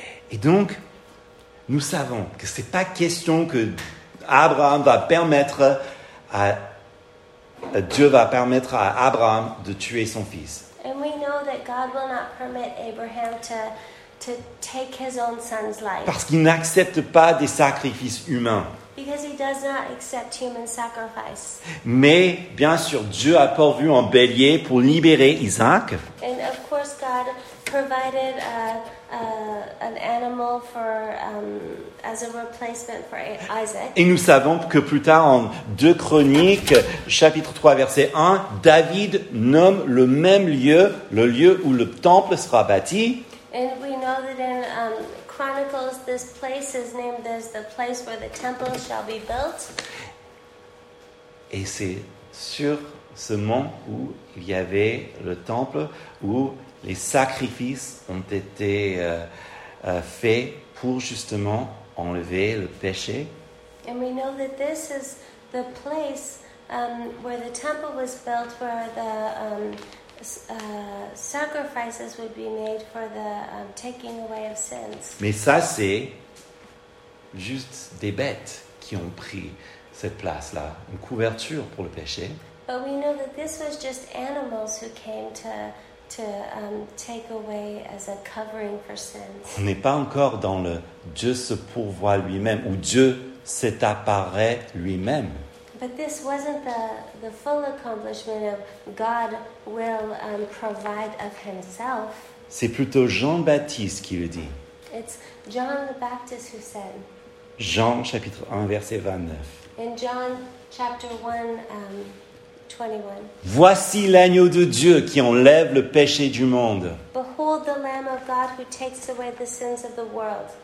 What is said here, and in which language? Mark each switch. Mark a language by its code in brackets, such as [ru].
[fr] Et donc, nous savons que ce n'est pas question que Abraham va permettre à Dieu va permettre à Abraham de tuer son fils. [en] And we know that God will not permit Abraham to take his own son's life. [fr] Parce qu'il n'accepte pas des sacrifices humains. [en] Because he does not accept human sacrifice. [fr] Mais bien sûr, Dieu a pourvu un bélier pour libérer Isaac. [en] And of course, God provided an animal for as a replacement for Isaac. [fr] Et nous savons que plus tard, en 2 Chroniques, chapitre 3, verset 1, David nomme le même lieu, le lieu où le temple sera bâti. [en] And we know that in Chronicles, this place is named as the place where the temple shall be built. [fr] Et c'est sur ce mont où il y avait le temple où les sacrifices ont été faits pour justement enlever le péché. [en] And we know that this is the place where the temple was built, where the sacrifices would be made for the taking away of sins. [fr] Mais ça, c'est juste des bêtes qui ont pris cette place-là, une couverture pour le péché. [en] But we know that this was just animals who came to take away as a covering for sins. [fr] On n'est pas encore dans le Dieu se pourvoit lui-même ou Dieu s'est apparaît lui-même. [en] But this wasn't the full accomplishment of God will provide of himself. [fr] C'est plutôt Jean-Baptiste qui le dit. [en] It's John the Baptist who said. [fr] Jean chapitre 1 verset 29. [en] In John chapter 1 21. [fr] Voici l'agneau de Dieu qui enlève le péché du monde. [en] Behold the Lamb of God who takes away the sins of the world.